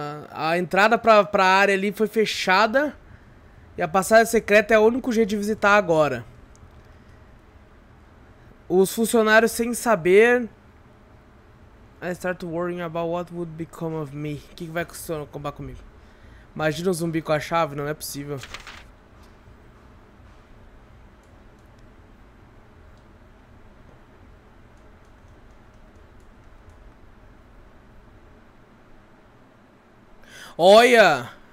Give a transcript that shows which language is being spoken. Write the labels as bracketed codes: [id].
[pt] A entrada pra área ali foi fechada. E a passagem secreta é o único jeito de visitar agora. Os funcionários sem saber... [en] I start worrying about what would become of me. [pt] O que vai acabar comigo? Imagina um zumbi com a chave? Não é possível. Olha!